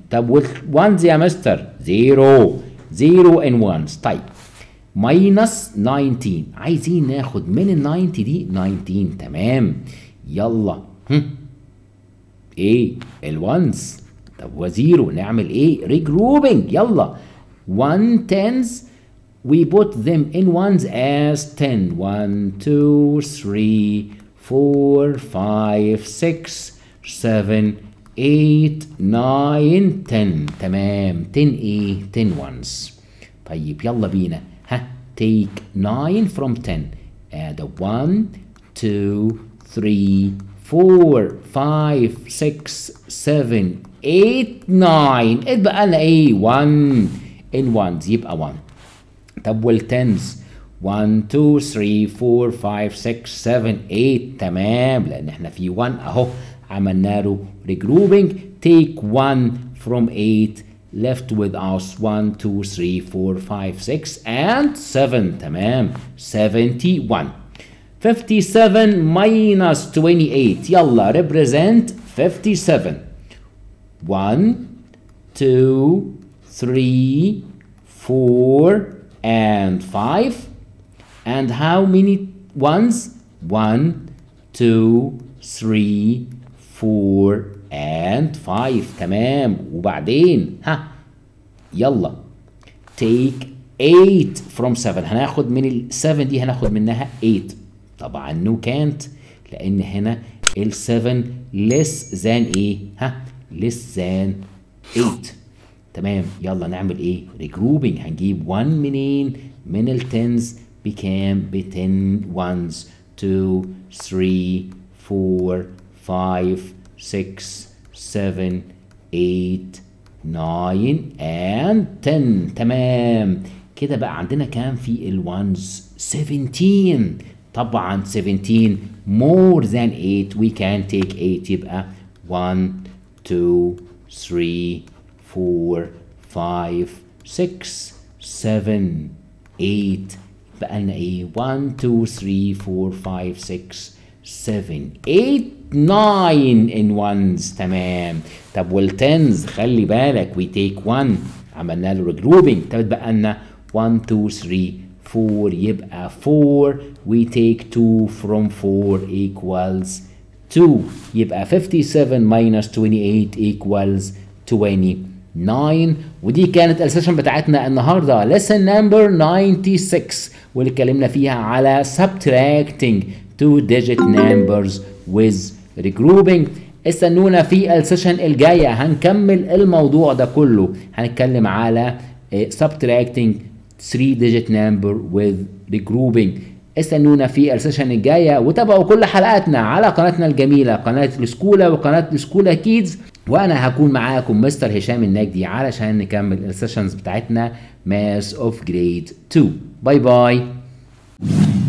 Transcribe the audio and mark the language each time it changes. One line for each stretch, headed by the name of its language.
Arabic: طب
English: with
Arabic: 1 يا مستر 0.
English: 0 in 1.
Arabic: طيب
English: minus 19.
Arabic: عايزين ناخد من ال 90 دي 19. تمام. يلا ايه ال 1s. طب و 0 نعمل ايه؟ regrouping.
English: يلا 1 tens we put them in 1s as 10. 1 2 3 4 5 6 7, 8, 9, 10. تمام. 10 ايه؟ 10 ones.
Arabic: طيب يلا بينا. ها.
English: Take 9 from 10. Add a 1, two, three, four, five, six, seven, eight, nine. It
Arabic: بقى لنا ايه؟
English: one in ones
Arabic: يبقى
English: one. طب والtens one, two, three, four, five, six, seven, eight.
Arabic: تمام لأن احنا في one اهو عملنا له regrouping.
English: Take one from eight. Left with us 1, 2, 3, 4, 5, 6, and 7.
Arabic: تمام.
English: 71. 57 minus 28. يلا represent 57. 1, 2, 3, 4, and 5. And how many ones? 1, 2, 3, 4, and 5.
Arabic: تمام. وبعدين ها.
English: يلا take 8 from 7.
Arabic: هناخد من ال 7 دي هناخد منها 8. طبعا
English: no can't
Arabic: لان هنا ال 7
English: less than
Arabic: ايه؟ ها less than 8. تمام يلا نعمل ايه؟ regrouping. هنجيب 1 منين؟ من ال 10s بكام؟ ب 10 ones 2 3 4 5 6 7 8 9 and 10. تمام كده بقى عندنا كام في ال ones 17. طبعا
English: 17 more than 8. we can take 8.
Arabic: يبقى 1 2 3 4 5 6 7 8 بقى لنا ايه؟ 1 2 3 4 5 6 7 8 9 in ones. تمام. طب والتنز خلي بالك
English: we take 1
Arabic: عملنا له regrouping. طب بقى لنا 1 2 3 4 يبقى 4.
English: we take 2 from 4 equals 2. يبقى 57 minus 28 equals 29.
Arabic: ودي كانت السيشن بتاعتنا النهارده
English: lesson number 96
Arabic: واللي اتكلمنا فيها على
English: subtracting two digit numbers with regrouping.
Arabic: استنونا في السيشن الجاية هنكمل الموضوع ده كله. هنتكلم على
English: subtracting three digit number with regrouping.
Arabic: استنونا في السيشن الجاية وتابعوا كل حلقاتنا على قناتنا الجميلة قناة الاسكوله وقناة الاسكوله كيدز. وانا هكون معاكم مستر هشام النجدي علشان نكمل السيشنز بتاعتنا ماس اوف جريد 2. باي باي.